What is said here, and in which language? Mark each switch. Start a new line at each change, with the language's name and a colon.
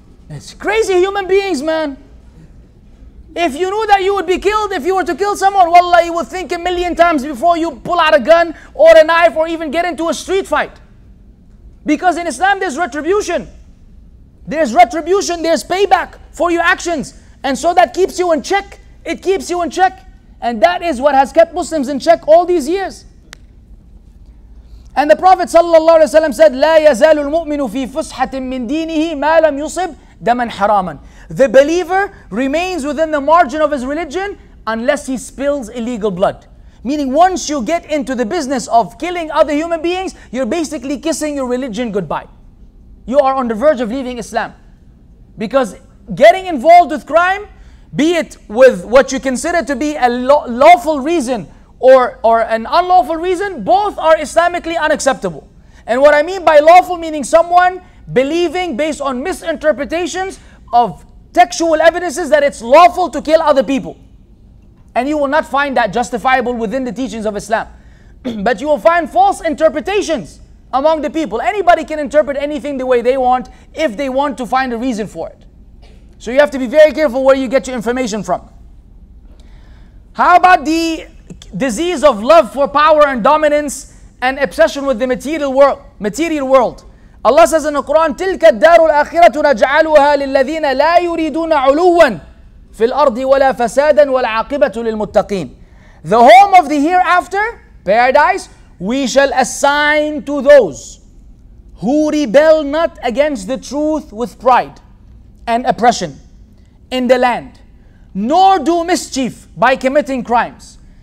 English: It's crazy human beings, man. If you knew that you would be killed, if you were to kill someone, wallah, you would think a million times before you pull out a gun or a knife or even get into a street fight. Because in Islam, there's retribution. There's retribution, there's payback for your actions. And so that keeps you in check. It keeps you in check. And that is what has kept Muslims in check all these years. And the Prophet sallallahu alaihi wasallam said,
Arabic: لَا يَزَالُ الْمُؤْمِنُ فِي فُسْحَةٍ مِّن دِينِهِ مَا لَمْ يُصِبْ دَمًا حَرَامًا.
English: The believer remains within the margin of his religion unless he spills illegal blood. Meaning once you get into the business of killing other human beings, you're basically kissing your religion goodbye. You are on the verge of leaving Islam. Because getting involved with crime, be it with what you consider to be a lawful reason or an unlawful reason, both are Islamically unacceptable. And what I mean by lawful, meaning someone believing based on misinterpretations of textual evidences that it's lawful to kill other people. And you will not find that justifiable within the teachings of Islam. But you will find false interpretations among the people. Anybody can interpret anything the way they want if they want to find a reason for it. So you have to be very careful where you get your information from. How about the disease of love for power and dominance and obsession with the material world? Allah says in the Quran,
Arabic: تِلْكَ الدَّارُ الْآخِرَةُ نَجْعَلُهَا لِلَّذِينَ لَا يُرِيدُونَ عُلُوًّا فِي الْأَرْضِ وَلَا فَسَادًا وَالْعَاقِبَةُ لِلْمُتَّقِينَ.
English: The home of the hereafter, paradise, we shall assign to those who rebel not against the truth with pride and oppression in the land, nor do mischief by committing crimes.